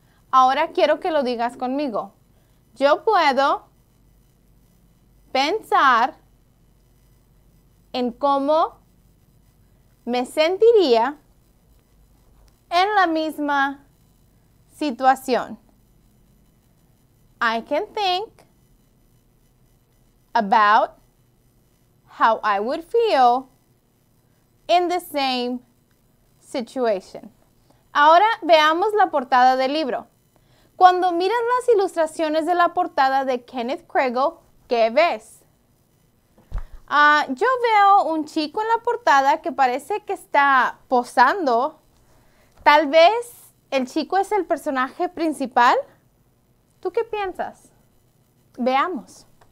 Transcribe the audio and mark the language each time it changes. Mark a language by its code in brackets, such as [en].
[es] Ahora quiero que lo digas conmigo. Yo puedo pensar en cómo me sentiría en la misma situación. [en] I can think about how I would feel in the same situation. [es] Ahora veamos la portada del libro. Cuando miras las ilustraciones de la portada de Kenneth Craigle, ¿qué ves? Yo veo un chico en la portada que parece que está posando. Tal vez el chico es el personaje principal. ¿Tú qué piensas? Veamos.